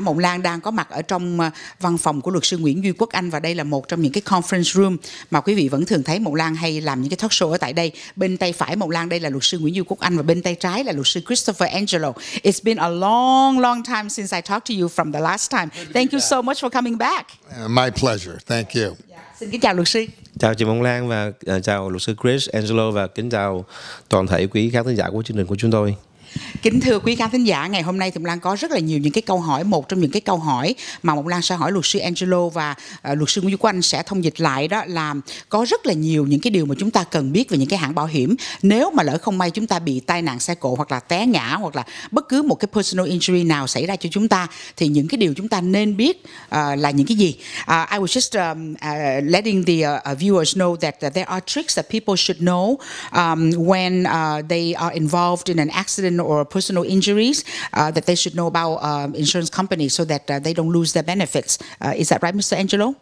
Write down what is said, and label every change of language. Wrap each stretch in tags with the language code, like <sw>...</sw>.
<vi>Mộng Lan đang có mặt ở trong văn phòng của luật sư Nguyễn Duy Quốc Anh, và đây là một trong những cái conference room mà quý vị vẫn thường thấy Mộng Lan hay làm những cái talk show ở tại đây. Bên tay phải Mộng Lan đây là luật sư Nguyễn Duy Quốc Anh, và bên tay trái là luật sư Christopher Angelo.</vi> <en>It's been a long, long time since I talked to you from the last time. Thank you so much for coming back. My pleasure. Thank you.</en> <vi>Xin kính chào luật sư. Chào chị Mộng Lan và chào luật sư Chris Angelo, và kính chào toàn thể quý khán thính giả của chương trình của chúng tôi. Kính thưa quý khán thính giả, ngày hôm nay Mộng Lan có rất là nhiều những cái câu hỏi. Một trong những cái câu hỏi mà Mộng Lan sẽ hỏi luật sư Angelo và luật sư Nguyễn Quốc Anh sẽ thông dịch lại, đó là có rất là nhiều những cái điều mà chúng ta cần biết về những cái hãng bảo hiểm nếu mà lỡ không may chúng ta bị tai nạn xe cộ, hoặc là té ngã, hoặc là bất cứ một cái personal injury nào xảy ra cho chúng ta, thì những cái điều chúng ta nên biết là những cái gì.</vi> <en>I was just letting the viewers know that there are tricks that people should know when they are involved in an accident or personal injuries that they should know about insurance companies so that they don't lose their benefits. Is that right, Mr. Angelo?</en>